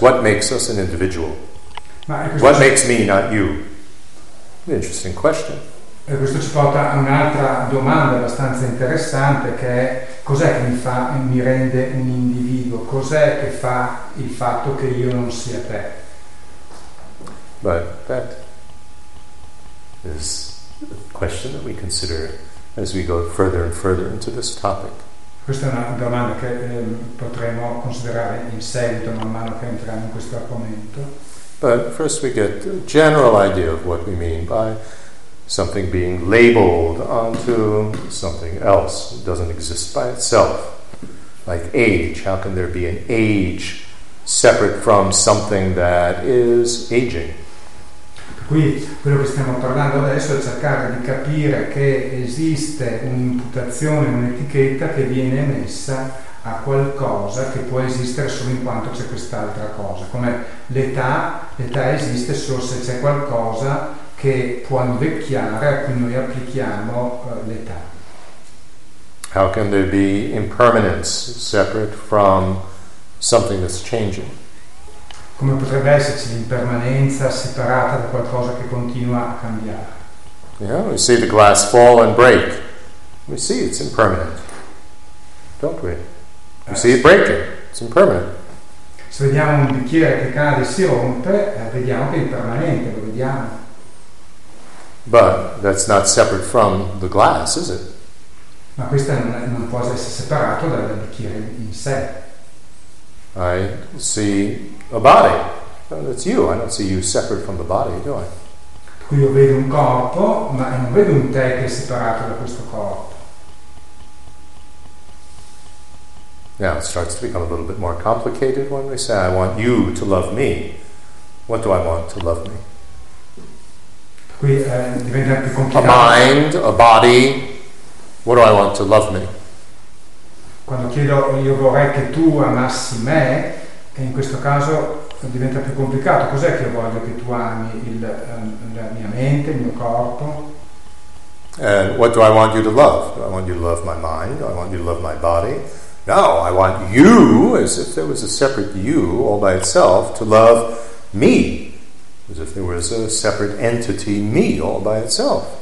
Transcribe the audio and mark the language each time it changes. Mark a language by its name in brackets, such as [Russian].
[English] What makes us an individual? What makes me not you? Interesting question. [Italian] E questo ci porta a un'altra domanda abbastanza interessante, che è: cos'è che mi rende un individuo? Cos'è che fa il fatto che io non sia te? [English] But that is a question that we consider as we go further and further into this topic. [Italian] Questa è una domanda che potremo considerare in seguito man mano che entriamo in questo argomento. [English] But first we get a general idea of what we mean by something being labeled onto something else. It doesn't exist by itself. Like age, how can there be an age separate from something that is aging? [Italian] Qui quello che stiamo parlando adesso è cercare di capire che esiste un'imputazione, un'etichetta che viene messa a qualcosa che può esistere solo in quanto c'è quest'altra cosa, come l'età esiste solo se c'è qualcosa che può invecchiare a cui noi applichiamo l'età. [English] How can there be impermanence separate from something that's changing? [Italian] Come potrebbe esserci l'impermanenza separata da qualcosa che continua a cambiare? [English] Yeah, we see the glass fall and break, we see it's impermanent, don't we? You see it breaking. It's impermanent. [Italian] Se vediamo un bicchiere che cade e si rompe, vediamo che è impermanente, lo vediamo. [English] But that's not separate from the glass, is it? [Italian] Ma questo non può essere separato dal bicchiere in sé. [English] I see a body. Well, that's you. I don't see you separate from the body, do I? [Italian] Qui io vedo un corpo, ma non vedo un te che è separato da questo corpo. [English] Now it starts to become a little bit more complicated when we say, I want you to love me. What do I want to love me? A mind, a body, what do I want to love me? [Italian] Quando chiedo, io vorrei che tu amassi me, e in questo caso diventa più complicato. Cos'è che io voglio che tu ami? La mia mente, il mio corpo? [English] And what do I want you to love? Do I want you to love my mind? Do I want you to love my body? No, I want you, as if there was a separate you all by itself, to love me, as if there was a separate entity, me, all by itself.